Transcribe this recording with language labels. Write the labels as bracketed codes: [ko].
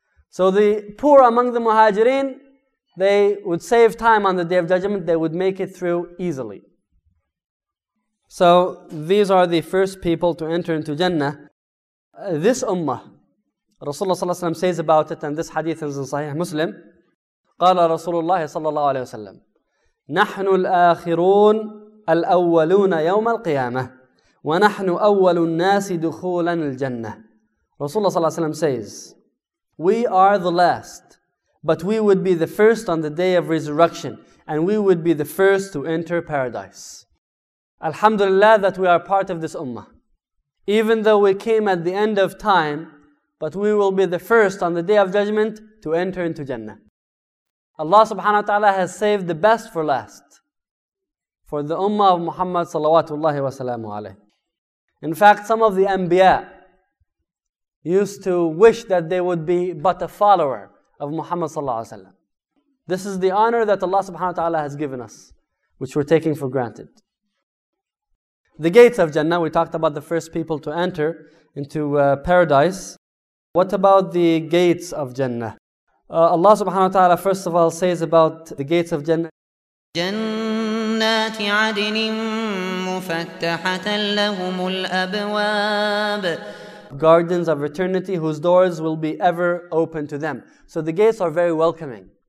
[en] So the poor among the muhajirin, they would save time on the Day of Judgment, they would make it through easily. So these are the first people to enter into Jannah. This ummah, Rasulullah sallallahu alayhi wa sallam says about it, and this hadith is in Sahih Muslim. [ar] قال رسول الله صلى الله عليه وسلم نحن الآخرون الأولون يوم القيامة ونحن أول الناس دخولا الجنة. [en] Rasulullah sallallahu alayhi wa sallam says, we are the last, but we would be the first on the day of resurrection, and we would be the first to enter paradise. Alhamdulillah that we are part of this ummah. Even though we came at the end of time, but we will be the first on the Day of Judgment to enter into Jannah. Allah subhanahu wa ta'ala has saved the best for last, for the ummah of Muhammad salawatullahi wa salamu alayhi. In fact, some of the anbiya used to wish that they would be but a follower of Muhammad sallallahu alayhi wa sallam. This is the honor that Allah subhanahu wa ta'ala has given us, which we're taking for granted. The gates of Jannah, we talked about the first people to enter into paradise. What about the gates of Jannah? Allah subhanahu wa ta'ala first of all says about the gates of Jannah. [ar] جنات عدن مفتحة لهم الأبواب. [en] Gardens of eternity whose doors will be ever open to them. So the gates are very welcoming.